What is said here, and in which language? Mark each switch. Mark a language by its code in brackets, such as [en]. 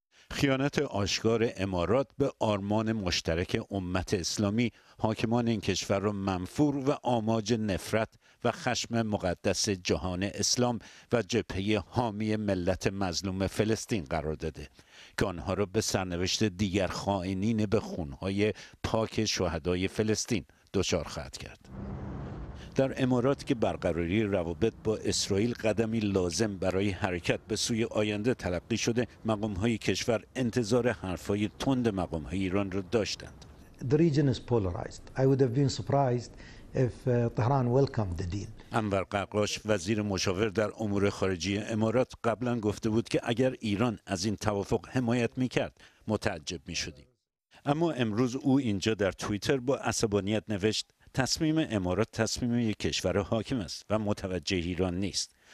[fa] خیانت آشکار امارات به آرمان مشترک امت اسلامی حاکمان این کشور را منفور و آماج نفرت و خشم مقدس جهان اسلام و جبهه حامی ملت مظلوم فلسطین قرار داده که آنها را به سرنوشت دیگر خائنین به خونهای پاک شهدای فلسطین دچار خواهد کرد. در امارات که برقراری روابط با اسرائیل قدمی لازم برای حرکت به سوی آینده تلقی شده، مقام‌های کشور انتظار حرف‌های تند مقام‌های ایران را داشتند. [en] The region is polarized. I would have been surprised if Tehran welcomed the deal. [fa] انور قرقاش وزیر مشاور در امور خارجی امارات قبلا گفته بود که اگر ایران از این توافق حمایت می‌کرد متعجب می‌شدیم. اما امروز او اینجا در توییتر با عصبانیت نوشت تصمیم امارات تصمیم یک کشور حاکم است و متوجه ایران نیست.